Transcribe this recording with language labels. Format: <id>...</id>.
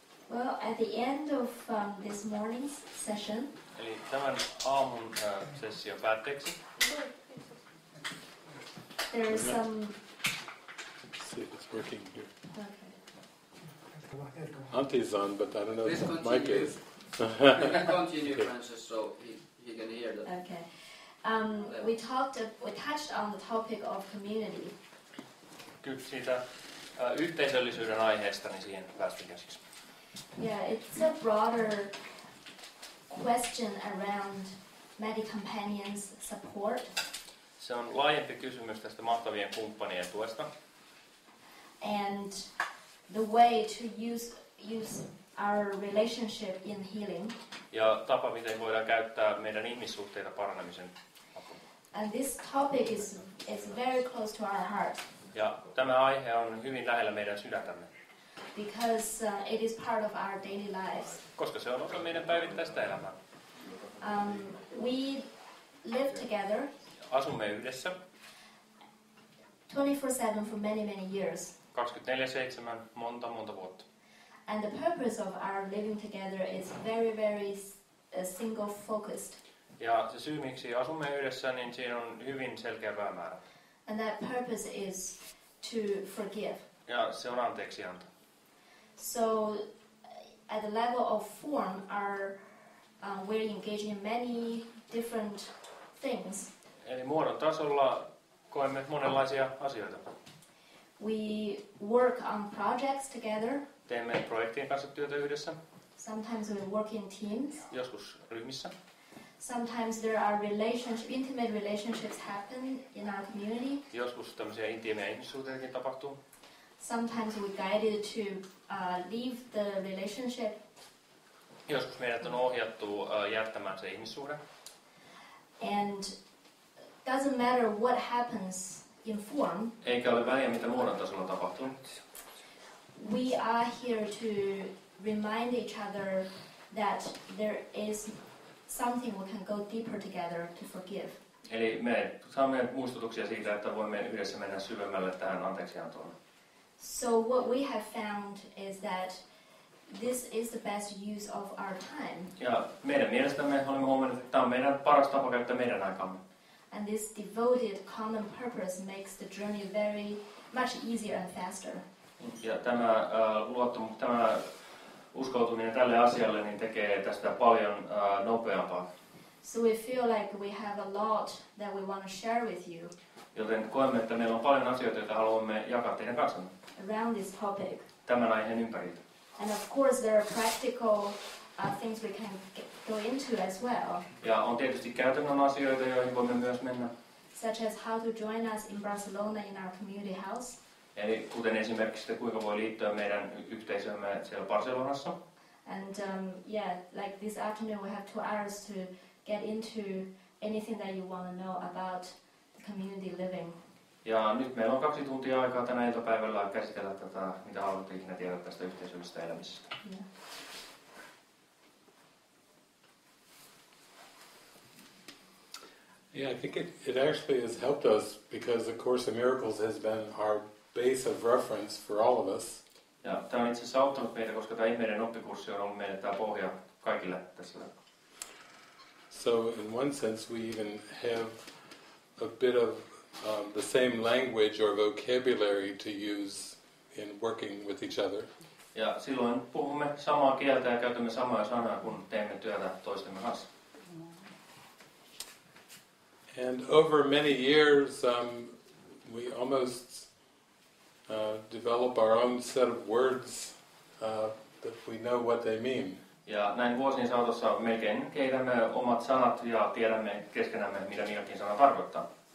<en>Well, at the end of this morning's session.</en> <fi>Eli tämän aamun session päätteeksi.</fi> <en>There is some. See, it's working here. Okay. Auntie's on, but I don't know please if continue. Mike is. You can continue, Francis, so he can hear that. Okay. We touched on the topic of community.</en> <fi>Kyllä siitä yhteisöllisyyden aiheesta, niin siihen päästiin käsiksi.</fi> <en>Yeah, it's a broader question around Medicompanions support.</en> <fi>Se on laajempi kysymys tästä mahtavien kumppanien tuesta.</fi> <en>And the way to use our relationship in healing.</en> <fi>Ja tapa, miten voidaan käyttää meidän ihmissuhteita paranemisen.</fi> <en>And this topic is very close to our heart.</en> <fi>Ja tämä aihe on hyvin lähellä meidän sydäntämme.</fi> <en>Because it is part of our daily lives.</en> <fi>Koska se on osa meidän päivittäistä elämää.</fi> <en>We live together.</en> <fi>Asumme yhdessä.</fi> <en>24/7 for many many years.</en> <fi>24/7 monta monta vuotta.</fi> <en>And the purpose of our living together is very very single focused.</en> <fi>Ja se syy, miksi asumme yhdessä, niin siinä on hyvin selkeä päämäärä.</fi> <en>And that purpose is to forgive.</en> <fi>Ja se on anteeksianto.</fi> <en>So at the level of form are we're engaging in many different things.</en> <fi>Eli muodon tasolla koemme monenlaisia asioita.</fi> <en>We work on projects together.</en> <fi>Teemme projektien kanssa työtä yhdessä.</fi> <en>Sometimes we work in teams.</en> <fi>Joskus ryhmissä.</fi> <en>Sometimes there are intimate relationships happen in our community.</en> <fi>Joskus tämmöisiä intiimejä ihmissuhteitakin tapahtuu.</fi> <en>Sometimes we guided to leave the relationship.</en> <fi>Joskus meidät on ohjattu jättämään se ihmissuhde.</fi> <en>And doesn't matter what happens in form.</en> <fi>Eikä ole väliä, mitä muodon tasolla tapahtuu.</fi> <en>We are here to remind each other that there is something we can go deeper together to forgive.</en> <fi>Eli me saamme muistutuksia siitä, että voimme yhdessä mennä syvemmälle tähän anteeksiantoon.</fi> <en>So what we have found is that this is the best use of our time.</en> <fi>Ja meidän mielestämme olemme huomanneet, että tämä on meidän paras tapa käyttää meidän aikamme.</fi> <en>And this devoted common purpose makes the journey very much easier and faster.</en> <fi>Ja tämä tämä uskoutuminen tälle asialle niin tekee tästä paljon nopeampaa.</fi> <en>So we feel like we have a lot that we want to share with you.</en> <fi>Joten koemme, että meillä on paljon asioita, joita haluamme jakaa teidän kanssanne.</fi> <en>Around this topic.</en> <fi>Tämän aiheen ympäriltä.</fi> <en>And of course there are practical things we can go into as well.</en> <fi>Ja on tietysti käytännön asioita, joihin voimme myös mennä.</fi> <en>Such as how to join us in Barcelona in our community house.</en> <fi>Eli kuten esimerkiksi, kuinka voi liittyä meidän yhteisöömme siellä Barcelonassa.</fi> <en>And like this afternoon we have 2 hours to get into anything that you want to know about the community living.</en> <fi>Ja nyt meillä on 2 tuntia aikaa tänä iltapäivällä käsitellä tätä, mitä haluatte ikinä tiedä tästä yhteisöllisestä elämisestä.</fi> <en>Yeah. Yeah, I think it actually has helped us because the Course in Miracles has been our base of reference for all of us.</en> <fi>Ja tämä on itse asiassa auttanut meitä, koska tämä ihmeiden oppikurssi on ollut meille tämä pohja kaikille tässä.</fi> <en>So in one sense we even have a bit of the same language or vocabulary to use in working with each other.</en> <fi>Ja silloin puhumme samaa kieltä ja käytämme samaa sanaa, kun teemme työtä toistemme kanssa.</fi> <en>And over many years we almost develop our own set of words that we know what they mean.</en> <fi>Ja näin vuosien saatossa melkein kehitämme omat sanat ja tiedämme keskenämme, mitä niilläkin sana tarkoittaa.</fi>